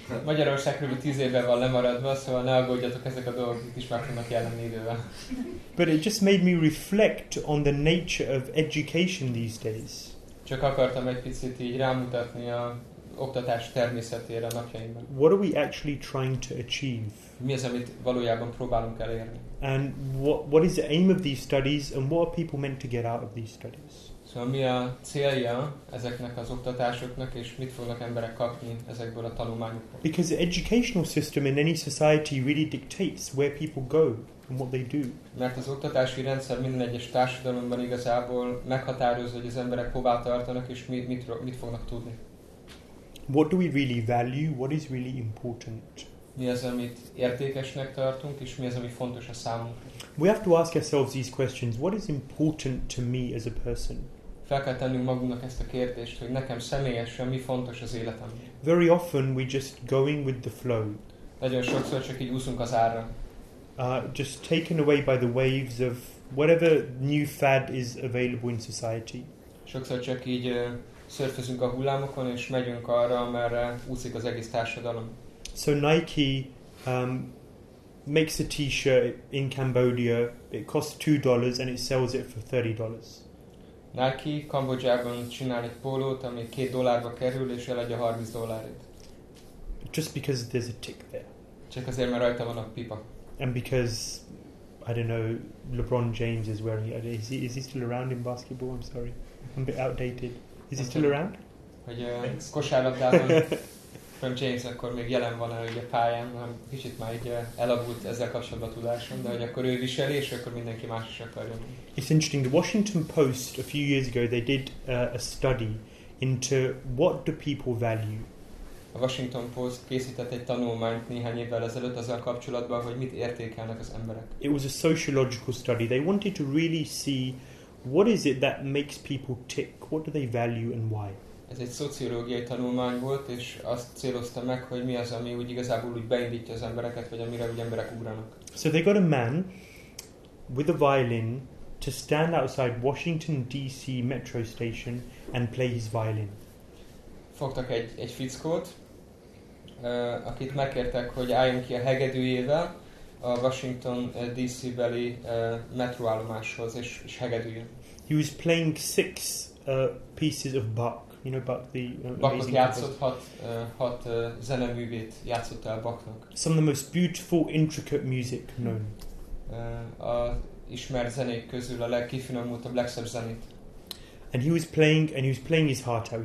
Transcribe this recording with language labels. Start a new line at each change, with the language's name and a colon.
Hungarian: Magyarország kb. 10 évvel van lemaradva, szóval ne aggódjatok, ezek a dolgok is már fognak jelenni idővel.
English: But it just made me reflect on the nature of education these days.
Hungarian: Csak akartam egy picit így rámutatni a oktatás természetére a napjainkban.
English: What are we actually trying to achieve?
Hungarian: Mi az, amit valójában próbálunk elérni?
English: And what is the aim of these studies, and what are people meant to get out of these studies?
Hungarian: Szóval mi a célja ezeknek az oktatásoknak, és mit fognak emberek kapni ezekből a tanulmányokból?
English: Because the educational system in any society really dictates where people go and what they do.
Hungarian: Mert az oktatási rendszer minden egyes társadalomban igazából meghatározza, hogy az emberek hová tartanak, és mit fognak tudni.
English: What do we really value? What is really important?
Hungarian: Mi az, amit értékesnek tartunk, és mi az, ami fontos a számunkra?
English: We have to ask ourselves these questions. What is important to me as a person?
Hungarian: Fel kell tennünk magunknak ezt a kérdést, hogy nekem személyesen mi fontos az életemben.
English: Very often we just going with the flow.
Hungarian: Nagyon sokszor csak így úszunk az árra.
English: Just taken away by the waves of whatever new fad is available in society.
Hungarian: Sokszor csak így szörfözünk a hullámokon, és megyünk arra, merre úszik az egész társadalom.
English: So Nike makes a t-shirt in Cambodia. It costs $2 and it sells it for $30.
Hungarian: Nike Kambodzsában csinál egy pólót, ami $2 kerül, és eladja $30.
English: Just because there's a tick there.
Hungarian: Csak azért, mert rajta van a pipa.
English: And because, I don't know, LeBron James is wearing it. Is he still around in basketball? I'm sorry. I'm a bit outdated. Is he still around?
Hungarian: Hogy kosárlabdában... From James akkor még jelen van el a pályán, kicsit már így elavult ezzel kapcsolatban a tudásom, de hogy akkor ő viseli, és akkor mindenki más is akarja.
English: It's interesting, the Washington Post a few years ago, they did a study into what do people value.
Hungarian: A Washington Post készített egy tanulmányt néhány évvel ezelőtt azzal kapcsolatban, hogy mit értékelnek az emberek.
English: It was a sociological study. They wanted to really see what is it that makes people tick, what do they value and why.
Hungarian: Ez egy szociológiai tanulmány volt, és azt célozta meg, hogy mi az, ami úgy igazából úgy beindítja az embereket, vagy amire úgy emberek ugranak.
English: So they got a man with a violin to stand outside Washington DC metro station and play his violin.
Hungarian: Fogtak egy fickót, akit megkértek, hogy álljon ki a hegedűjével a Washington DC beli metroállomáshoz, és hegedűjön.
English: He was playing 6 pieces of Bach. You know about the
Hungarian: Bachnak játszott hat zeneművét játszott el Bachnak.
English: Some of the most beautiful, intricate music known.
Hungarian: A ismert zenék közül a legkifinomultabb, legszebb zenét.
English: And he was playing, and he was playing his heart out.